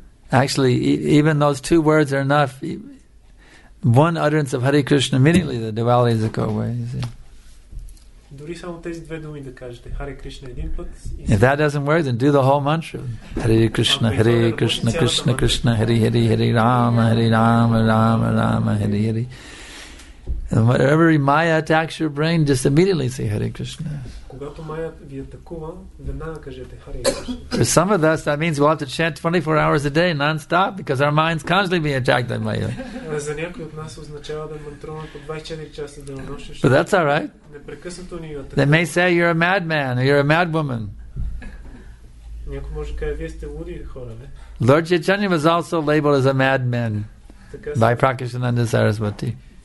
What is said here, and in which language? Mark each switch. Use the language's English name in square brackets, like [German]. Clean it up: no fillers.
[English] Actually, even those two words are enough. one utterance of Hare Krishna, immediately the dualities go away. [Bulgarian] Дори само тези две думи да кажете Hare Krishna един път. [English] If that doesn't work, then do the whole mantra. Hare Krishna, Hare Krishna, Krishna Krishna, Hare Hare, Hare Rama, Hare Rama, Rama Rama, Hare Hare. And whatever Maya attacks your brain, just immediately say Hare Krishna. [Bulgarian] Когато Maya ви атакува, веднага кажете Hare Krishna. [English] For some of us, that means we'll have to chant 24 hours a day, non-stop, because our minds constantly be attacked by Maya. [Bulgarian] За някои от нас означава да мантруваме по 24 часа да нощем. [English] But that's all right. [Bulgarian] Непрекъснато ни атакува. [English] They may say you're a madman or you're a madwoman. [Bulgarian] Някой може да каже, вие сте луди хора, не? [English] Lord Chaitanya was also labeled as a madman by Prakashananda Saraswati.